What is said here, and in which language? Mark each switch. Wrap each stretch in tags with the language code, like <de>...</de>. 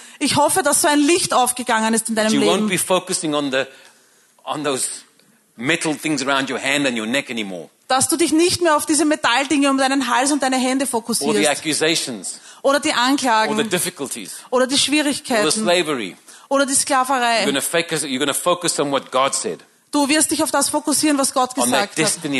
<de>Ich hoffe, dass so ein Licht aufgegangen ist in deinem Leben.</de> <en>You won't be focusing on those metal things around your hand and your neck anymore.</en> <de>dass du dich nicht mehr auf diese Metalldinge um deinen Hals und deine Hände fokussierst.</de> <en>Or the accusations.</en> <de>Oder die Anklagen.</de> <en>Or the difficulties.</en> <de>Oder die Schwierigkeiten.</de> <en>Or the slavery.</en> <de>Oder die Sklaverei.</de> <en>You're gonna focus on what God said.</en> <de>Du wirst dich auf das fokussieren, was Gott gesagt hat.</de>